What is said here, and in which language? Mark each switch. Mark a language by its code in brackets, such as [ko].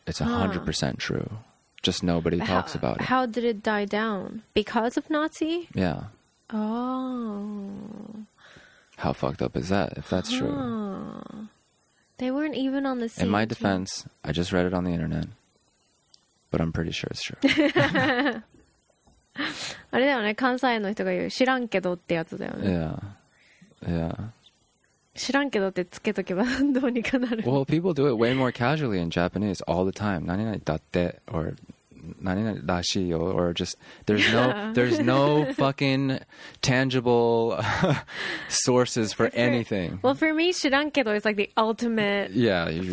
[en] It's 100% true. Just nobody talks about it. How did it die down? Because of Nazi? Yeah. Oh. How fucked up is that, if that's true? They weren't even on the same In my defense, I just read it on the internet. But I'm pretty sure it's true. [ja] あれだよね、関西の人が言う知らんけどってやつだよね。 [en] Yeah. Yeah. [ja] 知らんけどってつけとけばどうにかなる。 [en] Well, people do it way more casually in Japanese all the time. [ja] 何々だって [en] or [ja] 何々らしいよ [en] or just there's no fucking tangible sources for anything. Well, for me, 知らんけど is like the ultimate. Yeah, you're